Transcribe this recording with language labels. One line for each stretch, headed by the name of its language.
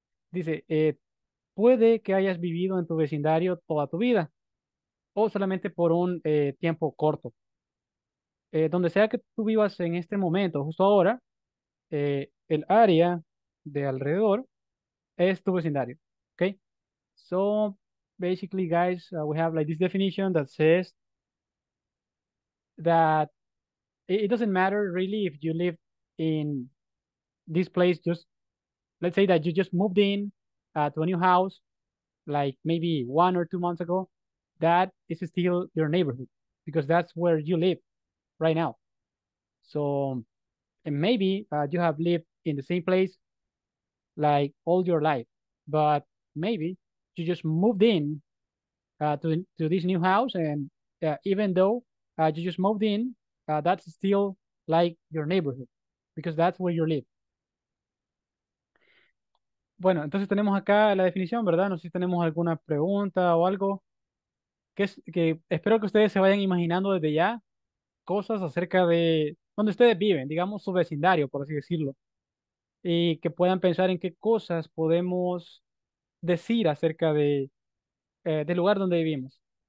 Spanish: Dice, puede que hayas vivido en tu vecindario toda tu vida o solamente por un tiempo corto. Donde sea que tú vivas en este momento, justo ahora, el área de alrededor es tu vecindario, okay?
English: So basically, guys, we have like this definition that says that it doesn't matter really if you live in this place. Just let's say that you just moved in to a new house, like maybe 1 or 2 months ago. That is still your neighborhood because that's where you live right now. So, and maybe you have lived in the same place like all your life, but maybe you just moved in to this new house, and even though you just moved in, that's still like your neighborhood because that's where you live.
Spanish: Bueno, entonces tenemos acá la definición, ¿verdad? No sé si tenemos alguna pregunta o algo. Que espero que ustedes se vayan imaginando desde ya cosas acerca de donde ustedes viven, digamos su vecindario, por así decirlo. Y que puedan pensar en qué cosas podemos decir acerca de del lugar donde vivimos.